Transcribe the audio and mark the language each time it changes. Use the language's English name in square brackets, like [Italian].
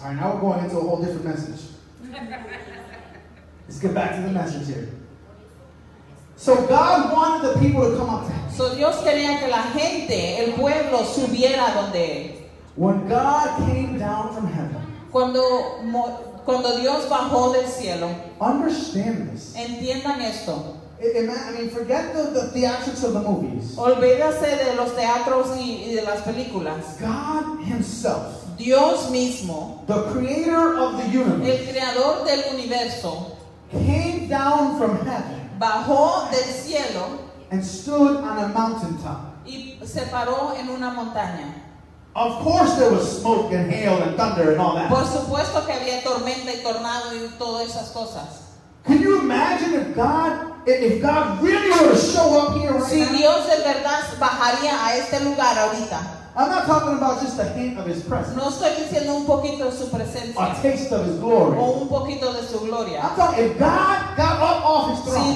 [English] All right, now we're going into a whole different message. Let's get back to the message here. So God wanted the people to come up to him. [Spanish] So Dios quería que la gente, el pueblo, subiera donde él. [English] When God came down from heaven. [Spanish] Cuando Dios bajó del cielo. [English] Understand this. [Spanish] Entiendan esto. [English] Forget the theatrics of the movies. [Spanish] Olvídase de los teatros y de las películas. [English] God himself. [Spanish] Dios mismo. [English] The creator of the universe. [Spanish] El creador del universo. [English] Came down from heaven. [Spanish] Bajó del cielo. [English] And stood on a mountaintop. [Spanish] Y se paró en una montaña. [English] Of course there was smoke and hail and thunder and all that. [Spanish] Por supuesto que había tormenta y tornado y todas esas cosas. [English] Can you imagine if God really were to show up here right [Spanish] si [English] now? [Spanish] Si Dios de verdad bajaría a este lugar ahorita. [English] I'm not talking about just a hint of his presence. [Spanish] No estoy diciendo un poquito de su presencia. [English] A taste of his glory. [Spanish] O un poquito de su gloria. [English] I'm talking if God got up off his throne.